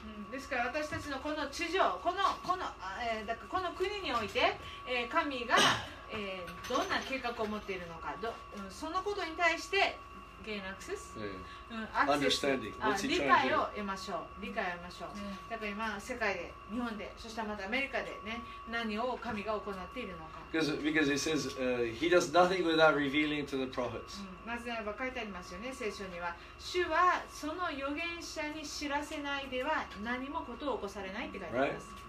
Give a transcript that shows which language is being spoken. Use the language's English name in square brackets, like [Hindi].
[Japanese] ですから私たちのこの地上、この、だからこの国において、神が、どんな計画を持っているのか、そのことに対して。 [English] Gain access? Yeah. Understanding. [Japanese] 理解を得ましょう。理解を得ましょう。だから今世界で、日本で、そしてまたアメリカでね、何を神が行っているのか。 [English] Because he says, he does nothing without revealing to the prophets. [Japanese] なぜならば書いてありますよね、聖書には。主はその預言者に知らせないでは何もことを起こされないって書いてあります。